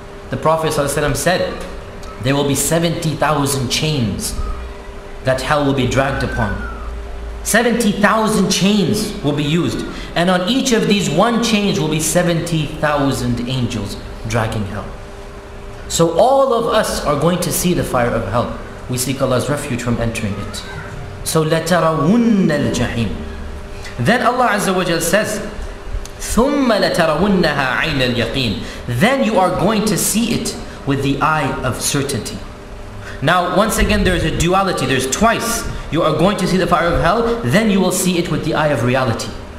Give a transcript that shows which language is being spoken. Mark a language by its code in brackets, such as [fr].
[en] The Prophet ﷺ said, there will be 70,000 chains that hell will be dragged upon. 70,000 chains will be used, and on each of these one chains will be 70,000 angels dragging hell. So all of us are going to see the fire of hell. We seek Allah's refuge from entering it. [ar] So لَتَرَوُنَّ الْجَحِيمِ. [en] Then Allah Azza wa Jal says, [ar] ثُمَّ لَتَرَوُنَّهَا عَيْنَ الْيَقِينِ. [en] Then you are going to see it with the eye of certainty. Now once again, there is a duality. There's twice. You are going to see the fire of hell, then you will see it with the eye of reality.